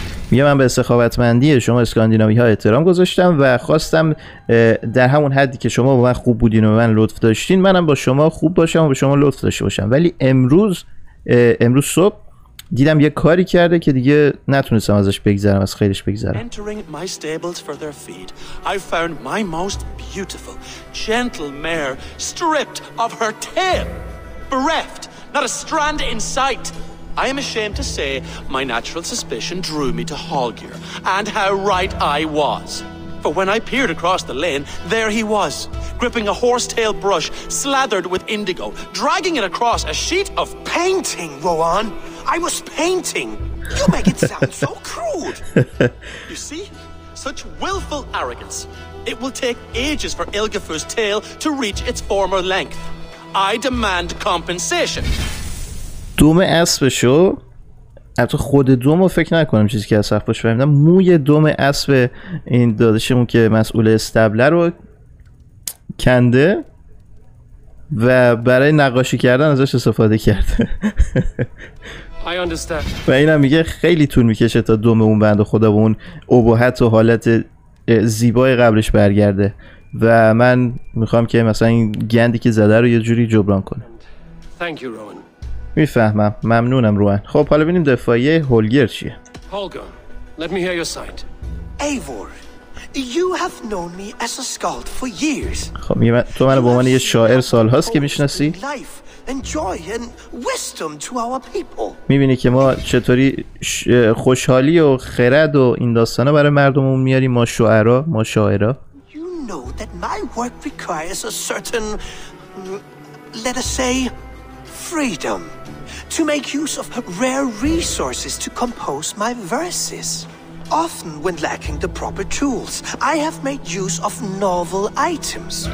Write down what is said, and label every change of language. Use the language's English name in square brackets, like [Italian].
[Persian] میگه من به سخاوتمندی شما اسکاندیناوی ها احترام گذاشتم و خواستم در همون حدی که شما با من خوب بودین و من لطف داشتین منم با شما خوب باشم و به شما لطف داشته باشم، ولی امروز صبح دیدم یه کاری کرده که دیگه نتونستم ازش بگذرم، از خیلیش بگذرم. [English] Entering my stables for their feed, I found my most beautiful, gentle mare stripped of her tail. Bereft, not a strand in sight. I am ashamed to say my natural suspicion drew me to Holger, and how right I was. For when I peered across the lane, there he was, gripping a horsetail brush slathered with indigo, dragging it across a sheet of painting, Rowan. I was painting. You make it sound so crude. You see? Such willful arrogance. It will take ages for Ilgifu's tail to reach its former length. I demand compensation. [Persian] دوم اسبشو، حتی خود دومو فکر نکنم چیزی که از اسبش فهمیدم، موی دوم اسب این داداشمون که مسئول استبل رو کنده و برای نقاشی کردن ازش استفاده کرده. [English] I understand. [Persian] و اینم میگه خیلی طول میکشه تا دوم اون بنده خدا به اون ابهت و حالت زیبای قبلش برگرده و من میخوام که مثلا این گندی که زده رو یه جوری جبران کنه. [English] Thank you, Rowan. [Persian] میفهمم. ممنونم روان. خب حالا ببینیم دفاعیه هولگر چیه. [English] Holger, let me hear your side. Eivor, you have known me as a skald for years. [Persian] خب میگه تو منو به عنوان یه شاعر سالهاست که میشناسی. [English] Life and joy and wisdom to our people. [Persian] میبینی که ما چطوری خوشحالی و خرد و این داستانا برای مردممون میاریم، ما شعرا، ما شاعرا. [English] You know that my work requires a certain, let us say, freedom to make use of rare resources to compose my verses. Often when lacking the proper tools, I have made use of novel items.